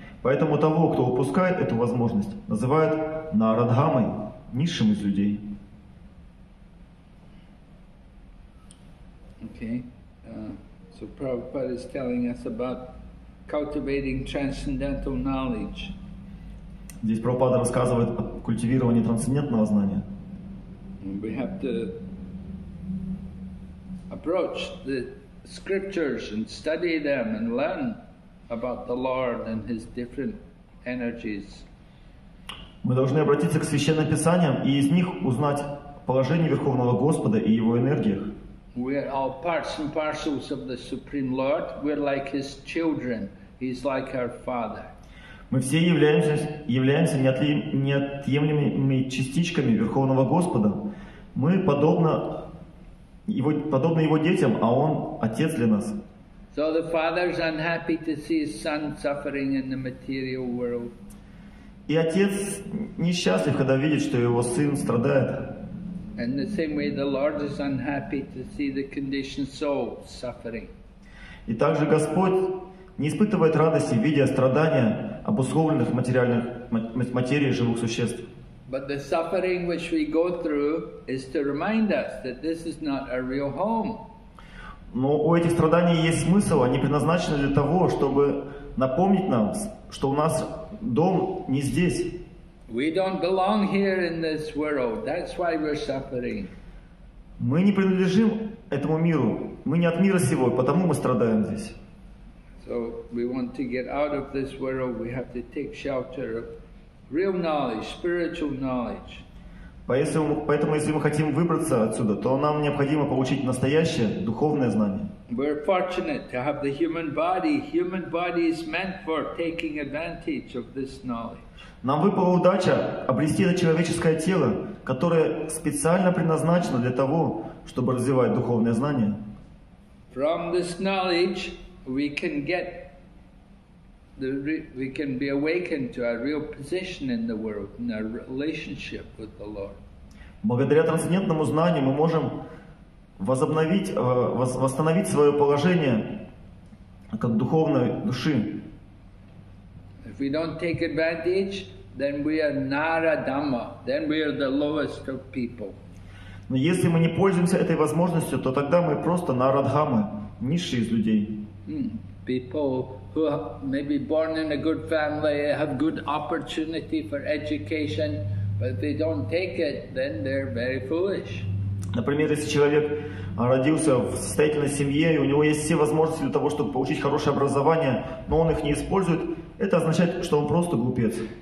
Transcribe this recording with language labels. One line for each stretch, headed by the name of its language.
Russian: Поэтому того, кто упускает эту возможность, называют нарадхамой, низшим из людей.
English: Okay. So Prabhupada is telling us about cultivating transcendental knowledge.
Russian: Здесь Прабхупада рассказывает о культивировании трансцендентного знания.
English: We have to approach the scriptures and study them and learn about the Lord and His different energies.
Russian: Мы должны обратиться к Священным Писаниям и из них узнать положение Верховного Господа и Его энергиях.
English: We are all parts and parcels of the Supreme Lord. We're like His children. He's like our Father.
Russian: Мы все являемся неотъемлемыми частичками Верховного Господа. Мы подобны Его детям, а Он Отец для нас.
English: So the Father is unhappy to see His Son suffering in the material world.
Russian: И отец несчастлив, когда видит, что его сын страдает.
English: And the same way the Lord is unhappy to see the conditioned soul suffering.
Russian: И также Господь не испытывает радости, видя страдания обусловленных материальных материи живых существ.
English: But the suffering which we go through is to remind us that this is not a real home.
Russian: Но у этих страданий есть смысл, они предназначены для того, чтобы напомнить нам, что у нас дом не здесь.
English: We don't belong here in this world. That's why we're suffering.
Russian: Мы не принадлежим этому миру. Мы не от мира сего, потому мы страдаем здесь.
English: So we want to get out of this world. We have to take shelter of real knowledge, spiritual knowledge.
Russian: Поэтому, если мы хотим выбраться отсюда, то нам необходимо получить настоящее духовное знание.
English: We're fortunate to have the human body. Human body is meant for taking advantage of this knowledge.
Russian: Нам выпала удача обрести это человеческое тело, которое специально предназначено для того, чтобы развивать духовное знание.
English: From this knowledge, we can be awakened to our real position in the world, in our relationship with the Lord.
Russian: Благодаря трансцендентному знанию мы можем восстановить свое положение как духовной души.
English: If we don't take advantage, then we are Naradama, then we are the lowest of people.
Russian: Но если мы не пользуемся этой возможностью, то тогда мы просто Нарадхамы, низшие из людей.
English: People who are maybe born in a good family have good opportunity for education, but if they don't take it, then they're very foolish.
Russian: Например, если человек родился в состоятельной семье, и у него есть все возможности для того, чтобы получить хорошее образование, но он их не использует, это означает, что он просто глупец.